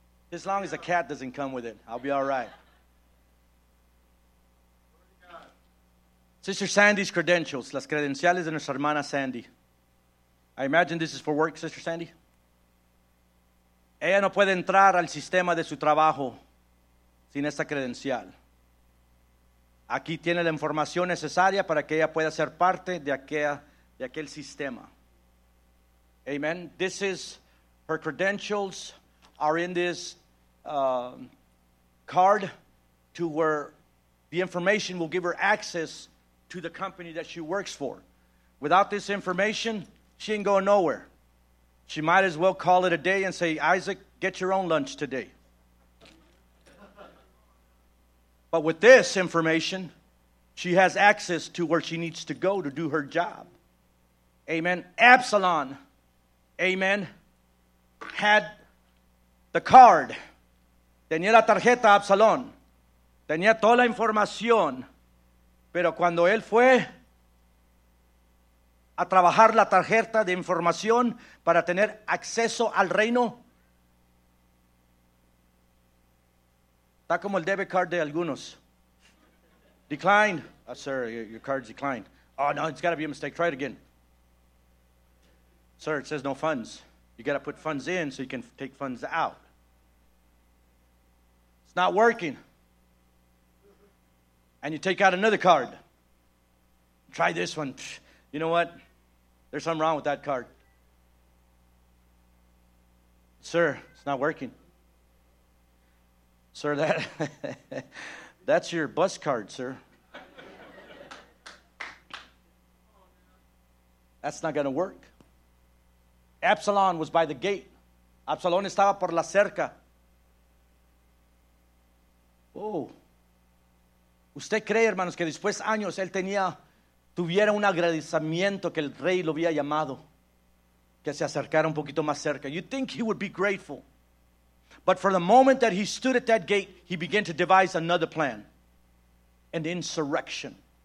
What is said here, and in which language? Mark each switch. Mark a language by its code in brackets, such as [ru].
[en] As long as a cat doesn't come with it, I'll be all right. Sister Sandy's credentials. [es] Las credenciales de nuestra hermana Sandy. [en] I imagine this is for work, Sister Sandy. [es] Ella no puede entrar al sistema de su trabajo sin esta credencial. Aquí tiene la información necesaria para que ella pueda ser parte de aquel sistema. [en] Amen. This is her credentials are in this card to where the information will give her access to the company that she works for. Without this information, she ain't going nowhere. She might as well call it a day and say, Isaac, get your own lunch today. But with this information, she has access to where she needs to go to do her job. Amen. Absalom, amen, had the card. [es] Tenía la tarjeta Absalón. Tenía toda la información. Pero cuando él fue a trabajar la tarjeta de información para tener acceso al reino, está como el debit card de algunos. [en] Declined. Oh, sir, your card's declined. Oh, no, it's got to be a mistake. Try it again. Sir, it says no funds. You got to put funds in so you can take funds out. It's not working. And you take out another card. Try this one. You know what? There's something wrong with that card. Sir, it's not working. Sir, that that's your bus card, sir. That's not going to work. Absalom was by the gate. [es] Absalom estaba por la cerca. Oh, usted cree, hermanos, que después de años él tuviera un agradecimiento que el rey lo había llamado, que se acercara un poquito más cerca. [en] You think he would be grateful. But for the moment that he stood at that gate, he began to devise another plan, an insurrection.